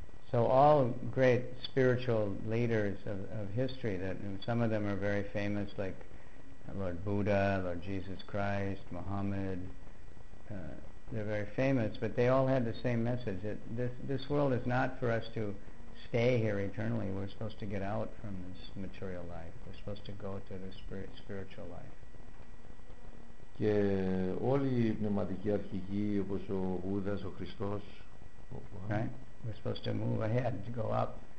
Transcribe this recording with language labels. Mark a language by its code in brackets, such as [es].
[en] So all great spiritual leaders of history, that some of them are very famous, like Lord Buddha, Lord Jesus Christ, Muhammad, they're very famous, but they all had the same message, that this world is not for us to stay here eternally. We're supposed to get out from this material life. We're supposed to go to the spiritual life. [el] Και όλοι οι πνευματικοί αρχηγοί, όπως ο Βούδας, ο Χριστός, [en] right? We're supposed to move ahead, to go up.